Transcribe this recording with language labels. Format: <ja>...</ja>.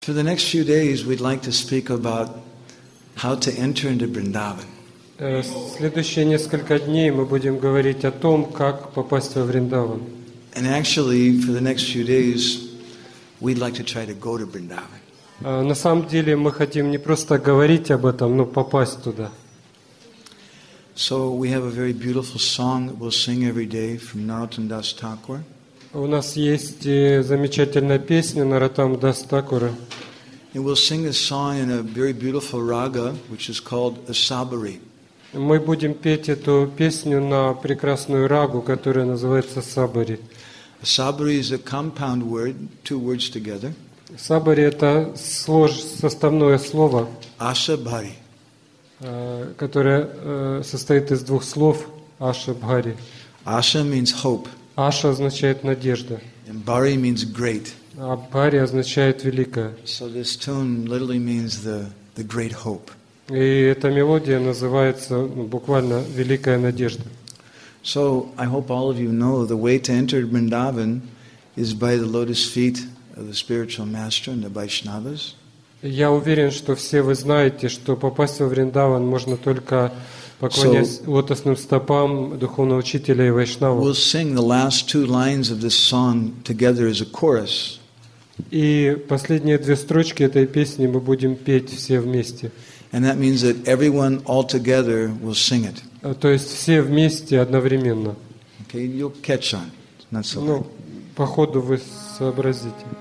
<en>For the next few days, we'd like to speak about how to enter into Vrindavan.</en> <ru>Следующие несколько дней мы будем говорить о том, как попасть во Вриндаван.</ru> <en>And actually, for the next few days, we'd like to try to go to Vrindavan.</en> <ru>На самом деле, мы хотим не просто говорить об этом, но попасть туда.</ru> <en>So we have a very beautiful song that we'll sing every day from Narottam Das Thakur.</en> <ru>У нас есть замечательная песня Нараттам Дас Такура.</ru> <en>And we'll sing this song in a very beautiful raga, which is called Asabari.</en> <ru>Мы будем петь эту песню на прекрасную рагу, которая называется Сабари.</ru> <en>Asabari is a compound word, two words together.</en> <ru>Сабари это составное слово. Ашабари. Которое состоит из двух слов. Ашабари.</ru> <en>Аша means hope.</en> <ru>Аша означает надежда.</ru> <en>And Bari means great.</en> <ru>А Бари означает великое.</ru> <en>So this tune literally means the great hope.</en> <ru>И эта мелодия называется буквально «Великая надежда».</ru> <en>So I hope all of you know the way to enter Vrindavan is by the lotus feet of the spiritual master and the Vaishnavas.</en> <ru>Я уверен, что все вы знаете, что попасть во Вриндаван можно только поклоняясь лотосным стопам духовного учителя и Вайшнава.</ru> <en>We'll sing the last two lines of this song together as a chorus.</en> <ru>И последние две строчки этой песни мы будем петь все вместе.</ru> <en>And that means that everyone all together will sing it.</en> <ru>То есть все вместе одновременно.</ru> <en>Okay, you'll catch on. Not so.</en> <ru>Ну, по ходу вы сообразите.</ru>